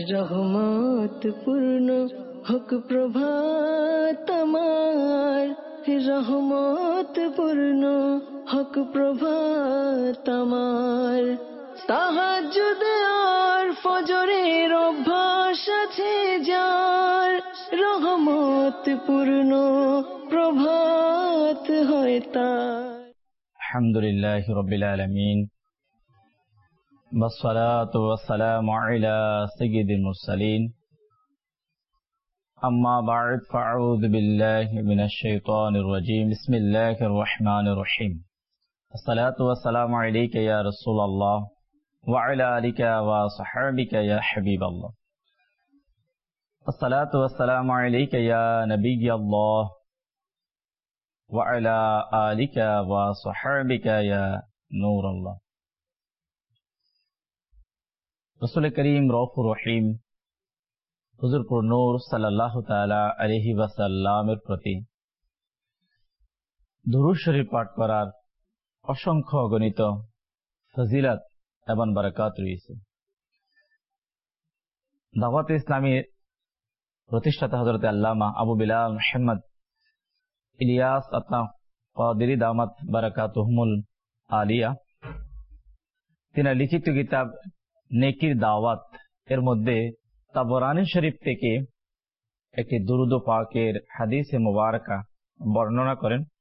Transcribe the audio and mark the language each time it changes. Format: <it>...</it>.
<bn>রহমত পূর্ণ হক প্রভাত আমার, রহমত পূর্ণ হক প্রভাত আমার, তাহাজ্জুদ আর ফজরের অভ্যাস আছে যার, রহমত পূর্ণ প্রভাত হয় তার।</bn> <ar>আলহামদুলিল্লাহি রাব্বিল আলামিন والصلاة والسلام على سيد المرسلين أما بعد فأعوذ بالله من الشيطان الرجيم بسم الله الرحمن الرحيم الصلاة والسلام عليك يا رسول الله وعلى آلك وصحبك يا حبيب الله الصلاة والسلام عليك يا نبي الله وعلى آلك وصحبك يا نور الله</ar> <bn>রসুল করিম রউফুর রহিম হুজুর নূর সাল্লাল্লাহু তাআলা আলাইহি ওয়াসাল্লামের প্রতি দুরূদ শরীফ পাঠ করার অসংখ্য গণিত ফজিলত এবং বরকত রয়েছে। দাওয়াতে ইসলামীর প্রতিষ্ঠাতা হযরত আল্লামা আবু বিলাল মুহাম্মদ ইলিয়াস আতাহ কাদেরী দামাত বরকাতুহুমুল আলিয়া তিনি লিখিত কিতাব নেকির দাওয়াত এর মধ্যে তাবরানী শরীফ থেকে একটি দুরুদ পাকের হাদিসে মুবারকা বর্ণনা করেন।</bn>